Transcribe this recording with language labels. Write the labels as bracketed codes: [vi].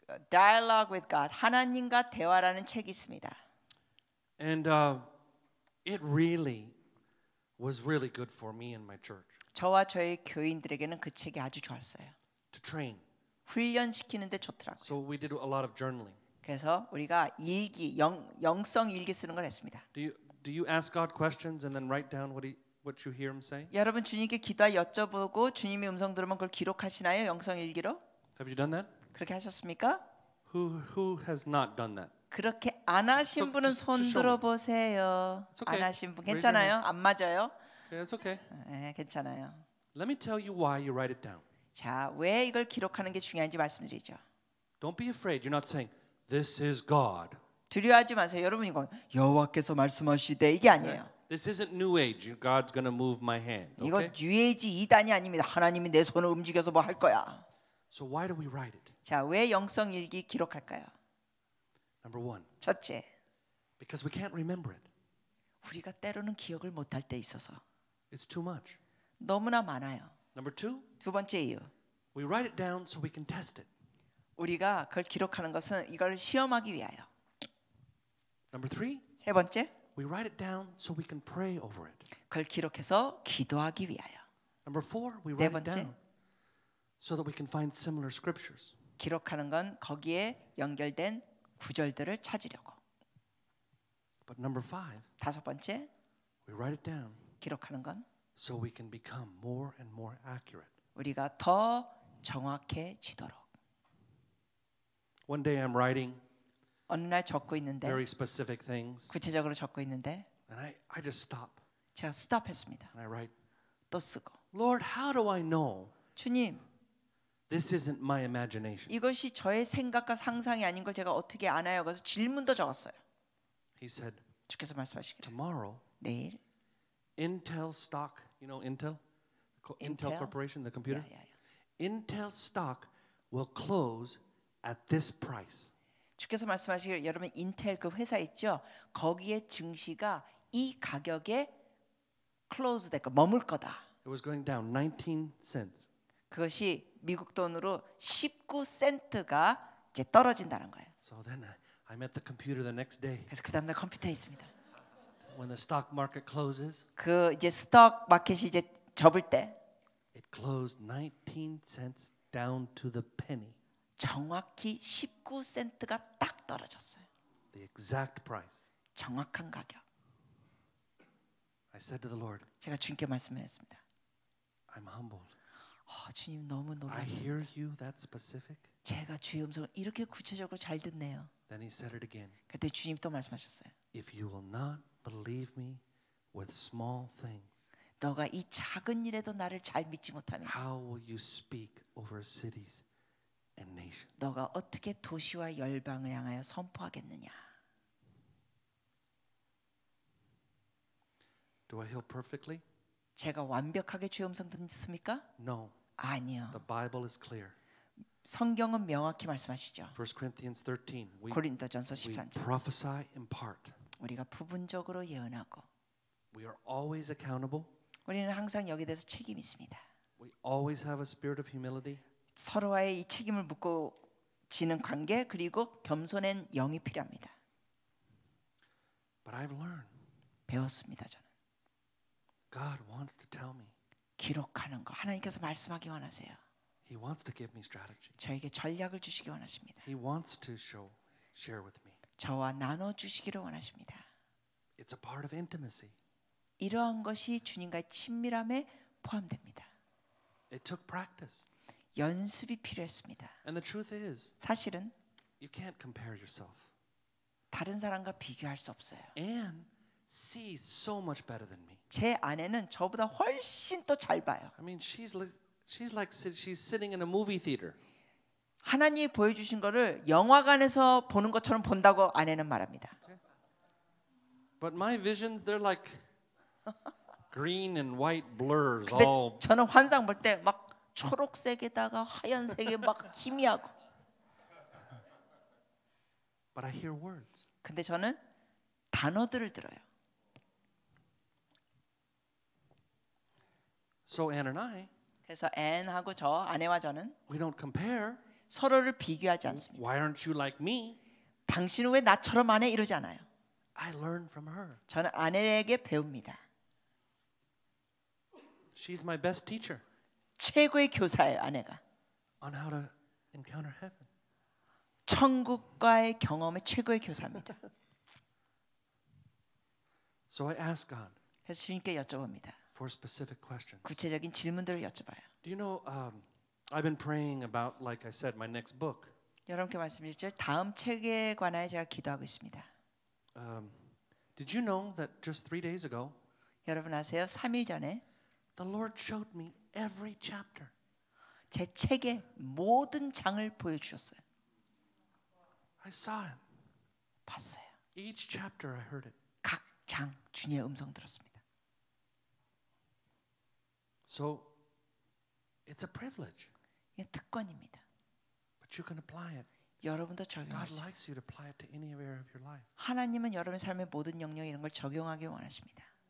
[en] Dialogue with God. [ko] 하나님과 대화라는 책이 있습니다. [en] And it really was really good for me and my church. [ko] 저와 저희 교인들에게는 그 책이 아주 좋았어요. [en] To train. [ko] 훈련시키는 데 좋더라고요. [en] So we did a lot of journaling. [ko] 그래서 우리가 일기, 영성 일기 쓰는 걸 했습니다. [en] Do you ask God questions and then write down what you hear him say? [ko] 여러분 주님께 기도 여쭤보고 주님이 음성 들으면 그걸 기록하시나요? 영성 일기로? [en] Have you done that? [ko] 그렇게 하셨습니까? [en] Who has not done that? [ko] 그렇게 안 하신 [en] so, [ko] 분은 손 들어 보세요. [en] Okay. [ko] 안 하신 분 괜찮아요? 안 맞아요? [en] Okay, it's okay. [ko] 예, 괜찮아요. [en] Let me tell you why you write it down. [ko] 자, 왜 이걸 기록하는 게 중요한지 말씀드리죠. [en] Don't be afraid. You're not saying This is God. [ko] 두려워하지 마세요. 여러분 이건 여호와께서 말씀하시되 이게 아니에요. [en] This isn't New Age. God's gonna move my hand. [ko] 이거 뉴에이지 이단이 아닙니다. 하나님이 내 손을 움직여서 뭐 할 거야. [en] So why do we write it? [ko] 자, 왜 영성 일기 기록할까요? [en] Number one. [ko] 첫째. [en] Because we can't remember it. [ko] 우리가 때로는 기억을 못할 때 있어서. [en] It's too much. [ko] 너무나 많아요. [en] Number two. [ko] 두 번째 이유. [en] We write it down so we can test it. [ko] 우리가 그걸 기록하는 것은 이걸 시험하기 위하여. [en] Number three. [ko] 세 번째. [en] We write it down so we can pray over it. [ko] 그걸 기록해서 기도하기 위하여. [en] Number four. We write it down so that we can find similar scriptures. [ko] 기록하는 건 거기에 연결된 구절들을 찾으려고. [en] But number five. [ko] 다섯 번째. [en] We write it down. [ko] 기록하는 건 [en] so we can become more and more accurate. [ko] 우리가 더 정확해지도록. [en] One day I'm writing [ko] 어느 날 적고 있는데 [en] very specific things [ko] 구체적으로 적고 있는데 [en] and I just stop [ko] 제가 스톱했습니다. [en] And I write [ko] 또 쓰고 [en] Lord, how do I know [ko] 주님 [en] this isn't my imagination [ko] 이것이 저의 생각과 상상이 아닌 걸 제가 어떻게 아나요? 그래서 질문도 적었어요. [en] He said [ko] 주께서 말씀하시기를 [en] tomorrow [ko] 내일 [en] Intel stock you know Intel? Intel Corporation, the computer? Yeah. Intel stock will close At this price. [ko] 주께서 말씀하시기를 여러분 인텔 그 회사 있죠? 거기에 증시가 이 가격에 close 될 거, 머물 거다. [en] It was going down 19 cents. [ko] 그것이 미국 돈으로 19센트가 이제 떨어진다는 거예요. [en] So then I'm at the computer the next day. [ko] 그래서 그 다음 날 컴퓨터에 있습니다. [en] When the stock market closes. [ko] 그 이제 스톡 마켓이 이제 접을 때. [en] It closed 19 cents down to the penny. [ko] 정확히 19센트가 딱 떨어졌어요. [en] The exact price. [ko] 정확한 가격. [en] I said to the Lord. [ko] 제가 주님께 말씀했습니다. [en] I'm humbled. [ko] 주님 너무 놀랍습니다. [en] I hear you that specific. [ko] 제가 주의 음성을 이렇게 구체적으로 잘 듣네요. [en] Then he said it again. [ko] 그때 주님 또 말씀하셨어요. [en] If you will not believe me with small things. [ko] 너가 이 작은 일에도 나를 잘 믿지 못하면. [en] How will you speak over cities? And nation. [ko] 너가 어떻게 도시와 열방을 향하여 선포하겠느냐? [en] Do I hear perfectly? [ko] 제가 완벽하게 주의 음성 듣습니까? [en] No. [ko] 아니요. [en] The Bible is clear. [ko] 성경은 명확히 말씀하시죠. [en] 1 Corinthians 13. [ko] 고린도전서 13장. [en] We prophesy in part. [ko] 우리가 부분적으로 예언하고. [en] We are always accountable. [ko] 우리는 항상 여기에 대해서 책임 있습니다. [en] We always have a spirit of humility. [ko] 서로와의 이 책임을 묻고 지는 관계 그리고 겸손한 영이 필요합니다. [en] But I've learned. [ko] 배웠습니다 저는. [en] God wants to tell me. [ko] 기록하는 거 하나님께서 말씀하기 원하세요. [en] He wants to give me strategy. [ko] 저에게 전략을 주시기 원하십니다. [en] He wants to show, share with me. [ko] 저와 나눠 주시기를 원하십니다. [en] It's a part of intimacy. [ko] 이러한 것이 주님과의 친밀함에 포함됩니다. [en] It took practice. [ko] 연습이 필요했습니다. [en] And the truth is, [ko] 사실은 [en] you can't compare yourself. [ko] 다른 사람과 비교할 수 없어요. [en] And see so much better than me. [ko] 제 아내는 저보다 훨씬 더 잘 봐요. [en] I mean, she's sitting in a movie theater. [ko] 하나님이 보여주신 거를 영화관에서 보는 것처럼 본다고 아내는 말합니다. [en] But my visions, they're like green and white blurs. All. [ko] 저는 환상 볼 때 막 초록색에다가 하얀색에 막 기미하고. [en] But I hear words. [ko] 근데 저는 단어들을 들어요. [en] So Anne and I. [ko] 그래서 앤하고 저 아내와 저는. [en] We don't compare. [ko] 서로를 비교하지 않습니다. [en] Why aren't you like me? [ko] 당신은 왜 나처럼 안 해 이러지 않아요. [en] I learn from her. [ko] 저는 아내에게 배웁니다. [en] She's my best teacher. [ko] 최고의 교사예요, 아내가. [en] On how to encounter heaven. [ko] 천국과의 경험의 최고의 교사입니다. [en] So I ask God. [ko] 그래서 주님께 여쭤봅니다. [en] For specific questions. [ko] 구체적인 질문들을 여쭤봐요. [en] Do you know I've been praying about like I said my next book. [ko] 여러분께 말씀드렸죠. 다음 책에 관하여 제가 기도하고 있습니다. [en] Did you know that just 3 days ago? [ko] 여러분 아세요? 3일 전에 [en] The Lord showed me every chapter. [ko] 제 책의 모든 장을 보여 주셨어요. [en] I saw it. [ko] 봤어요. [en] Each chapter I heard it. [ko] 각 장 주님의 음성 들었습니다. [en] So it's a privilege. [ko] 이게 특권입니다. [en] But you can apply it. [ko] 여러분도 적용할 수 [en] God likes you to apply it to any area of your life. [ko] 하나님은 여러분의 삶의 모든 영역에 이런 걸 적용하기 원하십니다.